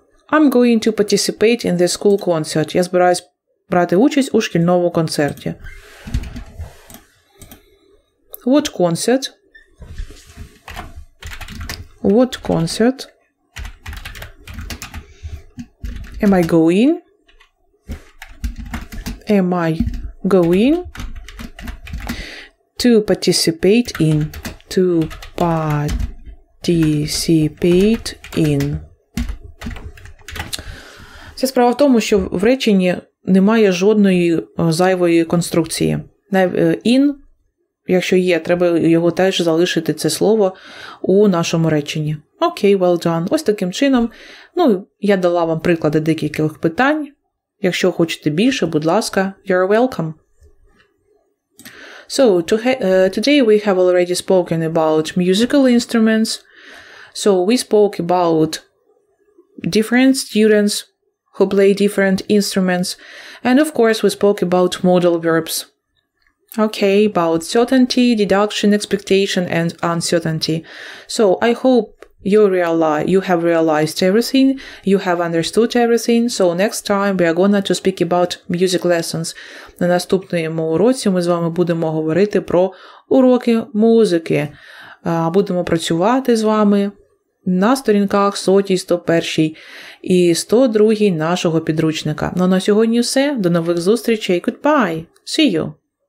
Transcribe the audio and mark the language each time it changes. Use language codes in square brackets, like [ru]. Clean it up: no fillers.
[en] I'm going to participate in the school concert. [uk] Я збираюсь брати участь у шкільному концерті. [en] What concert? What concert? Am I going? Am I going to participate in? To participate in. [uk] Вся справа в тому, що в реченні немає жодної зайвої конструкції. In, якщо є, треба його теж залишити, це слово, у нашому реченні. Окей, [en] well done. [uk] Ось таким чином. Ну, я дала вам приклади декількох питань. Якщо хочете більше, будь ласка, [en] you're welcome. So, today we have already spoken about musical instruments. So, we spoke about different students who play different instruments. And, of course, we spoke about modal verbs. Okay, about certainty, deduction, expectation, and uncertainty. So, I hope you have realized everything, you have understood everything. So, next time we are going to speak about music lessons. [uk] На наступному уроці ми з вами будемо говорити про уроки музики. Будемо працювати з вами на сторінках 100, 101 і 102 нашого підручника. Ну, на сьогодні все. До нових зустрічей. [en] Goodbye. See you.